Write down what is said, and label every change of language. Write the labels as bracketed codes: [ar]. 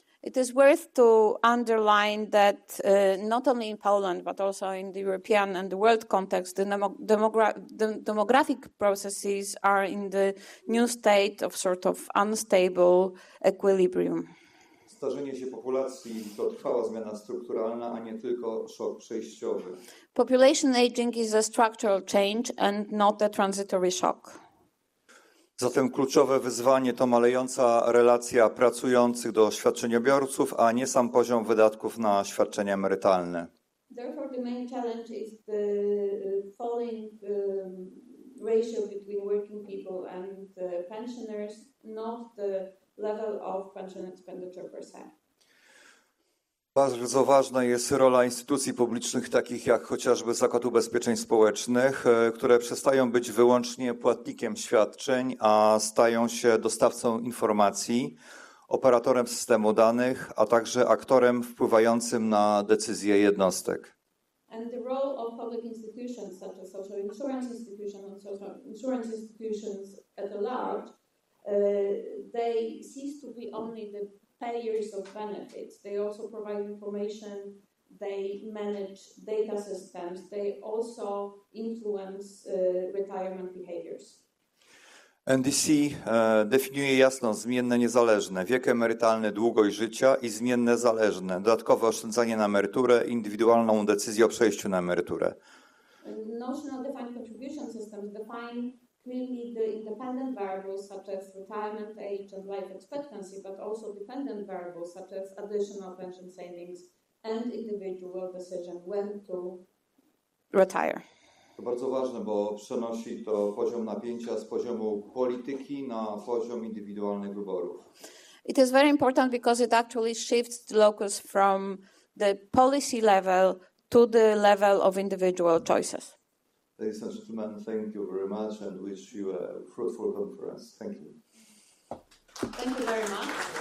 [en] It is worth to underline that not only in Poland, but also in the European and the world context, the demographic processes are in the new state of sort of unstable equilibrium. [pl] Starzenie się populacji to trwała zmiana strukturalna, a nie tylko szok przejściowy. [en] Population aging is a structural change and not a transitory shock. [pl] Zatem kluczowe wyzwanie to malejąca relacja pracujących do świadczeniobiorców, a nie sam poziom wydatków na świadczenia emerytalne. [en] Therefore the main challenge is the falling ratio between working people and the pensioners, not the level of pension expenditure per se. [pl] Bardzo ważna jest rola instytucji publicznych, takich jak chociażby Zakład Ubezpieczeń Społecznych, które przestają być wyłącznie płatnikiem świadczeń, a stają się dostawcą informacji, operatorem systemu danych, a także aktorem wpływającym na decyzje jednostek. [en] And the role of public institutions, such as social insurance institutions and social insurance institutions at large, they cease to be only the payers of benefits. They also provide information, they manage data systems, they also influence retirement behaviors. [pl] NDC definiuje jasno zmienne niezależne, wiek emerytalny, długość życia i zmienne zależne, dodatkowe oszczędzanie na emeryturę, indywidualną decyzję o przejściu na emeryturę. [en] Notional defined contribution systems define clearly the independent variables such as retirement age and life expectancy, but also dependent variables such as additional pension savings and individual decision when to retire. [pl] To bardzo ważne, bo przenosi to poziom napięcia z poziomu polityki na poziom indywidualnych wyborów. [en] It is very important because it actually shifts the locus from the policy level to the level of individual choices. Ladies and gentlemen, thank you very much and wish you a fruitful conference. Thank you. Thank you very much.